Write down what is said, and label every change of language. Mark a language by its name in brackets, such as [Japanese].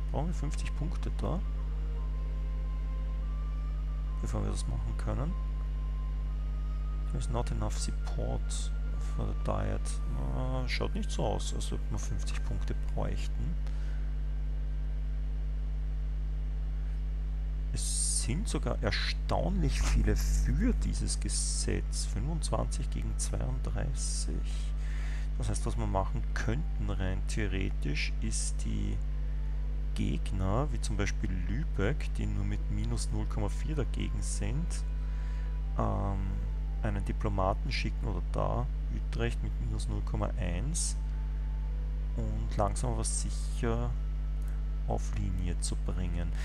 [German] Brauchen wir 50 Punkte da? Bevor wir das machen können. [English] There's not enough support. For the Diet. [German] Schaut nicht so aus, als ob wir 50 Punkte bräuchten. Es sind sogar erstaunlich viele für dieses Gesetz. 25 gegen 32. Das heißt, was wir machen könnten rein theoretisch, ist die Gegner, wie zum Beispiel Lübeck, die nur mit minus 0,4 dagegen sind, einen Diplomaten schicken oder da Utrecht mit minus 0,1 und langsam aber sicher auf Linie zu bringen.